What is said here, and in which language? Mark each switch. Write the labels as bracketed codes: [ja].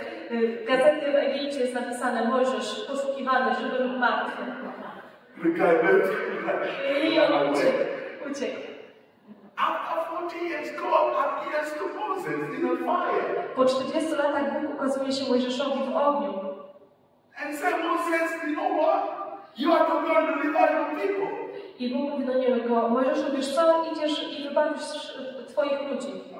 [pl] W gazecie w Egipcie jest napisane: Mojżesz poszukiwany, żeby lub martwy. [en] The guy went. [pl] I on uciekł. [en] After 40 years, God appears to Moses in a fire. [pl] Po 40 latach Bóg ukazuje się Mojżeszowi w ogniu. [en] And said, Moses, you know what? You are to go and deliver your people. [pl] I Bóg mówi do niego: Mojżesz, wiesz co? Idziesz i wybawisz twoich ludzi.